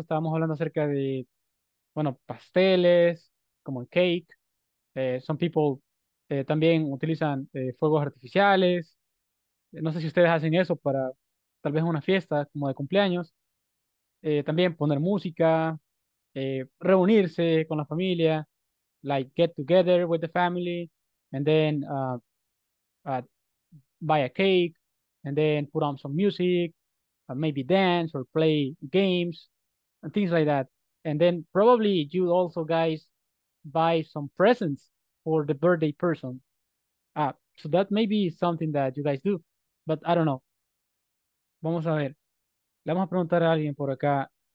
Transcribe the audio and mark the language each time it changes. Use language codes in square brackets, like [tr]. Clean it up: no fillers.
[es] Estábamos hablando acerca de, bueno, pasteles, como el cake. [en] Some people [es] también utilizan fuegos artificiales. No sé si ustedes hacen eso para tal vez una fiesta como de cumpleaños. También poner música. Reunirse con la familia, [en] like get together with the family, and then buy a cake, and then put on some music, maybe dance or play games, and things like that. And then probably you also guys buy some presents for the birthday person. So that may be something that you guys do, but I don't know. [es] Vamos a ver. Le vamos a preguntar a alguien por acá.